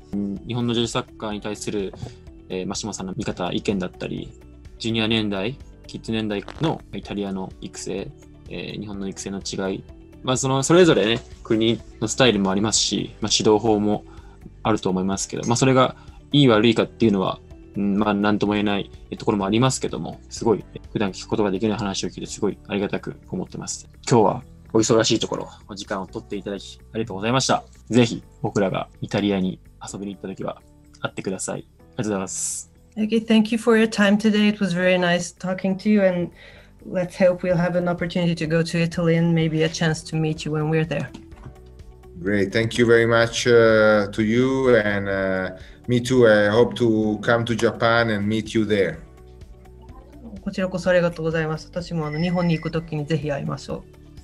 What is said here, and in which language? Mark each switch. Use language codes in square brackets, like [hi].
[ja] 日本の女子サッカーに対する、真島さんの見方意見だったり、ジュニア年代キッズ年代のイタリアの育成、日本の育成の違い、まあ、それぞれ、ね、国のスタイルもありますし、まあ、指導法もあると思いますけど、まあ、それがいい悪いかっていうのは、まあ、何とも言えないところもありますけども、すごい普段聞くことができない話を聞いてすごいありがたく思ってます。今日はお忙しいところお時間を取っていただきありがとうございました。ぜひ僕らがイタリアに遊びに行った時は会ってください。ありがとうございます。 [en] Okay, thank you for your time today. It was very nice talking to you, and let's hope we'll have an opportunity to go to Italy and maybe a chance to meet you when we're there. Great, thank you very much to you, and me too. I hope to come to Japan and meet you there. [ja] こちらこそありがとうございます。私もあの日本に行くときにぜひ会いましょう。